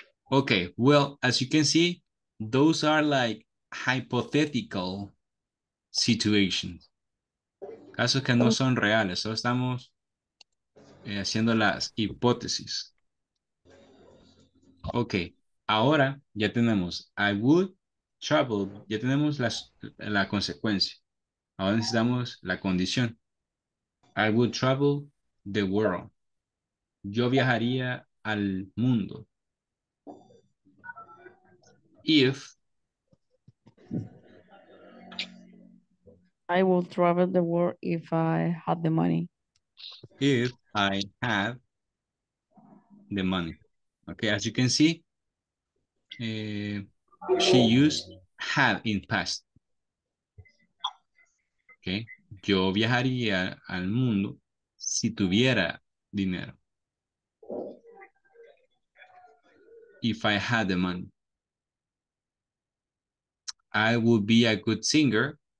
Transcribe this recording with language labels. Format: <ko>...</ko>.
<en>Okay, well, as you can see, those are like hypothetical situations.</en> <es>Casos que no son reales, solo estamos haciendo las hipótesis. Okay, ahora ya tenemos</es> <en>I would travel,</en> <es>ya tenemos la consecuencia. Ahora necesitamos la condición.</es> <en>I would travel the world.</en> <es>Yo viajaría al mundo.</es> <en>If I will travel the world if I had the money. If I have the money. Okay, as you can see, she used have in past.</en> <es>Okay, yo viajaría al mundo si tuviera dinero.</es> <en>If I had the money. I would be a good singer.</en>